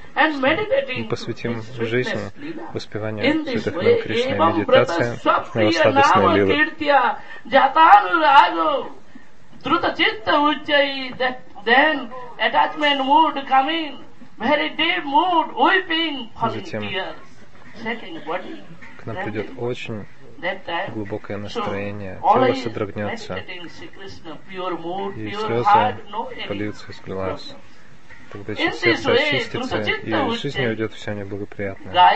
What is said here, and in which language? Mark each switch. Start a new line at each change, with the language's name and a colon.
Russian: Мы посвятим жизнь воспеванию святых лил Кришны, медитации на сладостные лилы.
English: Through the chitta uchai, then attachment mood coming, very deep mood, weeping, falling tears, shaking body,
Russian: к нам придет очень глубокое настроение, тело содрогнется, и слезы польются из глаз. Тогда сердце очистится, и из жизни уйдет все неблагоприятное.